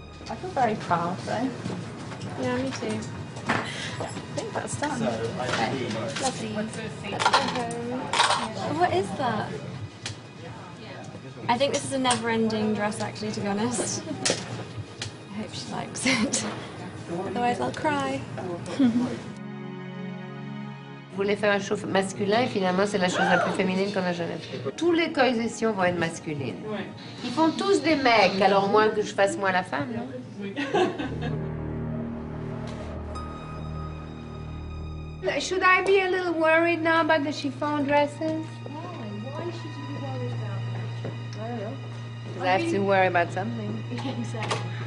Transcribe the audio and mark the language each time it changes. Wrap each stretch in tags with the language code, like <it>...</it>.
<en>I feel very proud, right? Yeah, me too. I think that's done. So, lovely. Yeah. What is that? I think this is a never-ending dress, actually, to be honest. I hope she likes it. Otherwise, I'll cry.</en> <fr>Je voulais faire un show masculin et finalement c'est la chose la plus féminine qu'on a jamais fait. Tous les coalitions vont être masculines. Ils font tous des mecs, alors moins que je fasse moi la femme, non?</fr> <en>Should I be a little worried now about the chiffon dresses? Why should you be worried about that? I don't know. Because I have to worry about something. Exactly.</en>